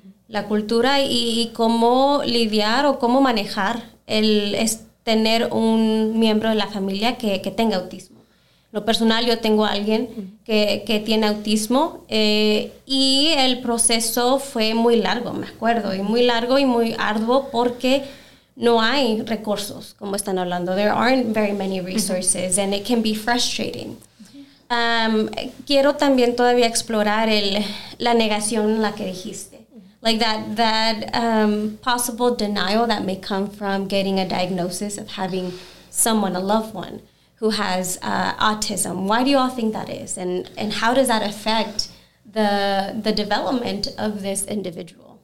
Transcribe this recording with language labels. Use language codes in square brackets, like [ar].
[es] La cultura y cómo lidiar o cómo manejar tener un miembro de la familia que tenga autismo. Lo personal, yo tengo a alguien que tiene autismo y el proceso fue muy largo, me acuerdo, y muy largo y muy arduo porque... No hay recursos, como están hablando. [en] There aren't very many resources, mm-hmm. and it can be frustrating. Mm-hmm. [es] Quiero también todavía explorar la negación en la que dijiste. [en] Like that possible denial that may come from getting a diagnosis of having someone, a loved one, who has autism. Why do you all think that is? And how does that affect the development of this individual?